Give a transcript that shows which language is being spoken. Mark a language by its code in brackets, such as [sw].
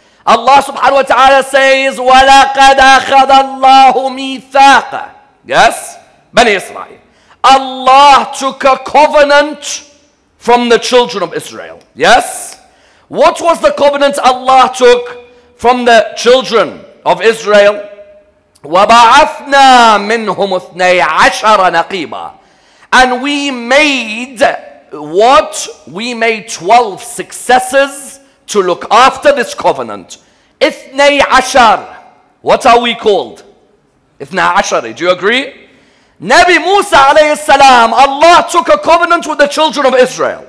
[en] Allah subhanahu wa ta'ala says, [ar] وَلَقَدْ أَخَذَ اللَّهُ مِيثَاقَ [en] Yes? Bani Israel. Allah took a covenant from the children of Israel. Yes? What was the covenant Allah took from the children of Israel? [ar] وَبَعَثْنَا مِنْهُمُ اثْنَيْ عَشَرَ نَقِيبًا [en] And we made what we made 12 successors to look after this covenant. Ithnay ashar. What are we called? Ithnay ashar. Do you agree? Nabi Musa alayhi salam, Allah took a covenant with the children of Israel.